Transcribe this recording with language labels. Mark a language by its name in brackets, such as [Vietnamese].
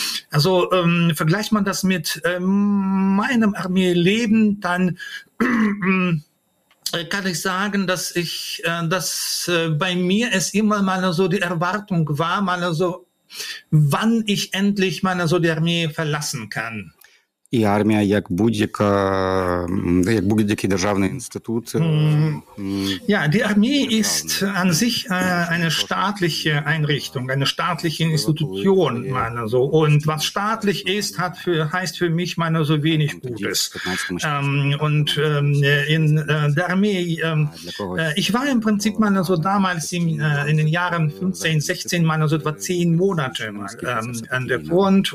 [German] Also vergleicht man das mit meinem Armeeleben, dann kann ich sagen, dass ich, dass bei mir es immer mal so die Erwartung war, mal so, wann ich endlich mal so die Armee verlassen kann. [Ukrainian] І армія як будь-яка, як будь-який державний інститут. [German] Ja, die Armee ist an sich eine staatliche Einrichtung, eine staatliche Institution, meine so. Und was staatlich ist, hat für, heißt für mich meine so wenig Gutes. Und in der Armee, ich war im Prinzip meine so damals in den Jahren 15, 16, meine so etwa 10 Monate an der Front.